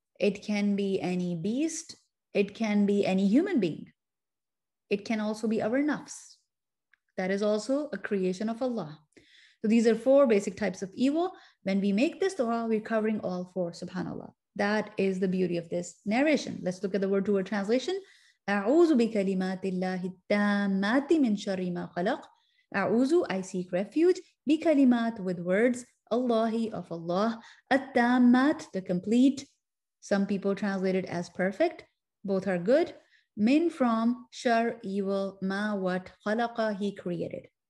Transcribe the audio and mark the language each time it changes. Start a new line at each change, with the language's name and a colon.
English: It can be any beast. It can be any human being. It can also be our nafs. That is also a creation of Allah. So these are four basic types of evil. When we make this dua, we're covering all four, subhanAllah. That is the beauty of this narration. Let's look at the word-to-word translation.
Arabic: أعوذ بكلمات الله التامات من شر ما خلق.
English: أعوذ, I seek refuge, بكلمات, with words, الله of Allah, التامات, the complete. Some people translate it as perfect. Both are good. Min, from, shar, evil, ma, what, khalaqa, he created.